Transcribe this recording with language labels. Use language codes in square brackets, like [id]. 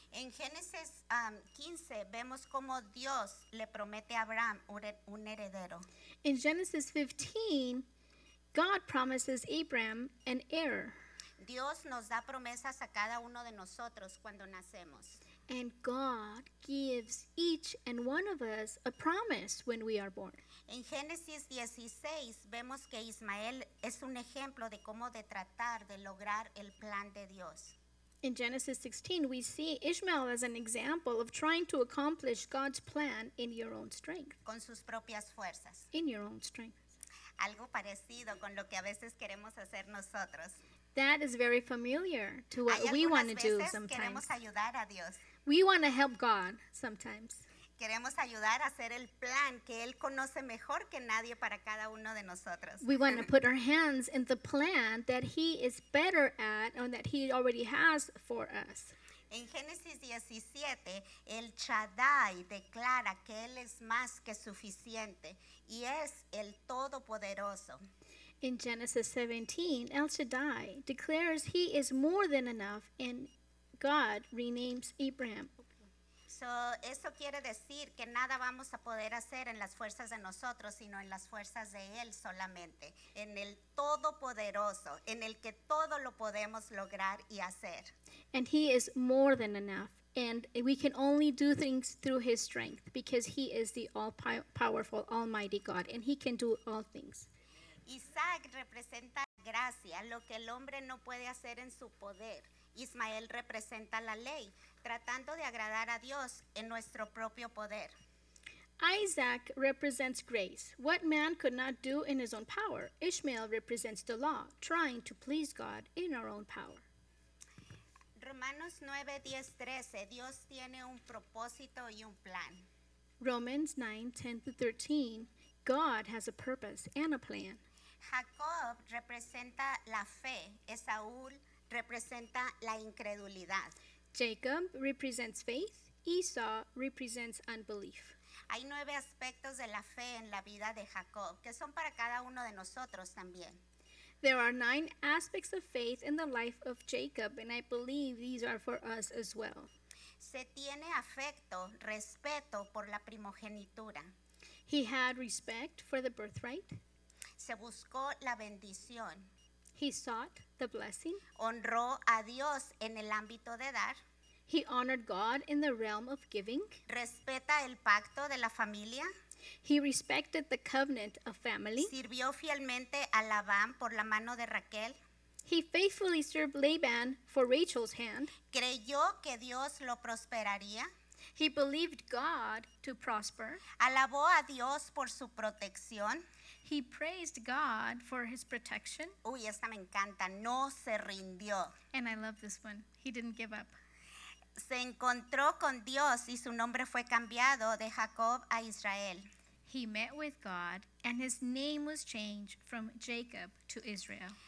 [es] En Génesis 15 vemos cómo Dios le promete a Abraham un heredero. [en] In Genesis 15, God promises Abraham an heir. [es] Dios nos da promesas a cada uno de nosotros cuando nacemos. [en] And God gives each and one of us a promise when we are born. [es] En Génesis 16 vemos que Ismael es un ejemplo de cómo de tratar de lograr el plan de Dios. [en] In Genesis 16, we see Ishmael as an example of trying to accomplish God's plan in your own strength. [es] Con sus propias fuerzas. [en] In your own strength. [es] Algo parecido con lo que a veces queremos hacer nosotros. [en] That is very familiar to what we want to do sometimes. [es] Queremos ayudar a Dios. [en] We want to help God sometimes. [es] Queremos ayudar a hacer el plan que Él conoce mejor que nadie para cada uno de nosotros. [en] We want to put our hands in the plan that He is better at or that He already has for us. [es] En Génesis 17, el Shaddai declara que Él es más que suficiente y es el Todopoderoso. [en] In Genesis 17, El Shaddai declares He is more than enough and God renames Abraham. [es] So, eso quiere decir que nada vamos a poder hacer en las fuerzas de nosotros, sino en las fuerzas de Él solamente, en el Todopoderoso, en el que todo lo podemos lograr y hacer. [en] And He is more than enough, and we can only do things through His strength, because He is the all-powerful, almighty God, and He can do all things. [es] Isaac representa gracia, lo que el hombre no puede hacer en su poder. Ismael representa la ley, tratando de agradar a Dios en nuestro propio poder. [en] Isaac represents grace, what man could not do in his own power. Ishmael represents the law, trying to please God in our own power. [es] Romanos 9:10-13, Dios tiene un propósito y un plan. [en] Romans 9:10-13, God has a purpose and a plan. [es] Jacob representa la fe, Esaú representa la incredulidad. [en] Jacob represents faith, Esau represents unbelief. [es] Hay 9 aspectos de la fe en la vida de Jacob, que son para cada uno de nosotros también. [en] There are 9 aspects of faith in the life of Jacob, and I believe these are for us as well. [es] Se tiene afecto, respeto por la primogenitura. [en] He had respect for the birthright. [es] Se buscó la bendición. [en] He sought the blessing. [es] Honró a Dios en el ámbito de dar. [en] He honored God in the realm of giving. [es] Respeta el pacto de la familia. [en] He respected the covenant of family. [es] Sirvió fielmente a Labán por la mano de Raquel. [en] He faithfully served Laban for Rachel's hand. [es] Creyó que Dios lo prosperaría. [en] He believed God to prosper. [es] Alabó a Dios por su protección. [en] He praised God for his protection. [es] Uy, esta me encanta. No se rindió. [en] And I love this one. He didn't give up. [es] Se encontró con Dios y su nombre fue cambiado de Jacob a Israel. [en] He met with God and his name was changed from Jacob to Israel.